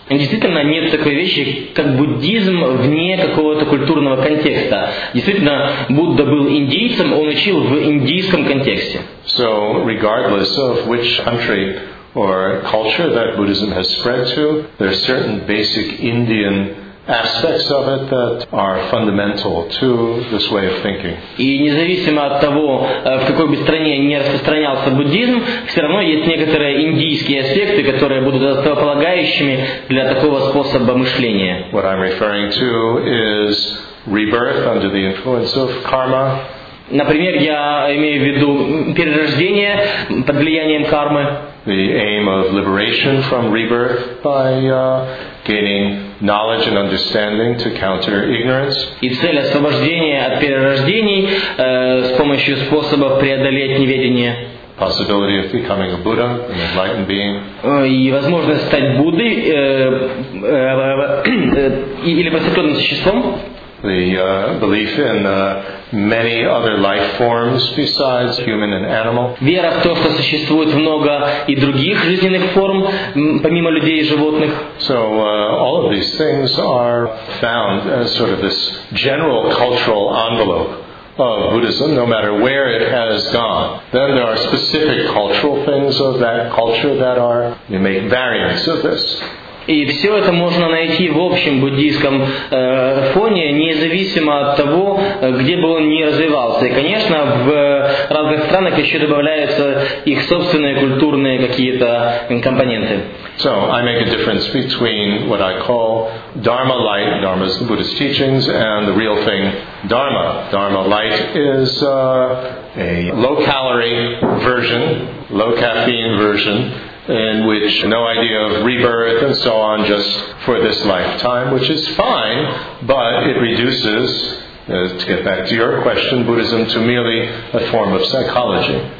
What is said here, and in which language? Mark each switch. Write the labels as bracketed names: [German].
[Russian] И действительно, нет такой вещи, как буддизм вне какого-то культурного контекста. Действительно, Будда был индийцем, он учил в индийском контексте. [English] So, regardless of which country or culture that Buddhism has spread to, there are certain basic Indian aspects of it that are fundamental to this way of thinking. [Russian] И независимо от того, в какой бы стране не распространялся буддизм, все равно есть некоторые индийские аспекты, которые будут основополагающими для такого способа мышления. [English] What I'm referring to is rebirth under the influence of karma. [Russian] Например, я имею в виду перерождение под влиянием кармы. [English] The aim of liberation from rebirth by gaining knowledge and understanding to counter ignorance. [Russian] И цель освобождения от перерождений с помощью способов преодолеть неведение. [English] Possibility of becoming a Buddha, an enlightened being. [Russian] И возможность стать Буддой или просветленным существом. [English] The belief in many other life forms besides human and animal. [Russian] Вера в то, что существует много и других жизненных форм, помимо людей и животных. [English] So all of these things are found as sort of this general cultural envelope of Buddhism, no matter where it has gone. Then there are specific cultural things of that culture that are, you make variants of this. [Russian] И все это можно найти в общем буддийском фоне, независимо от того, где бы он ни развивался. И, конечно, в разных странах еще добавляются их собственные культурные какие-то компоненты. [English] So I make a difference between what I call Dharma light, Dharma is the Buddhist teachings, and the real thing, Dharma. Dharma light is a low-calorie version, low-caffeine version, in which no idea of rebirth and so on, just for this lifetime, which is fine, but it reduces, to get back to your question, Buddhism to merely a form of psychology.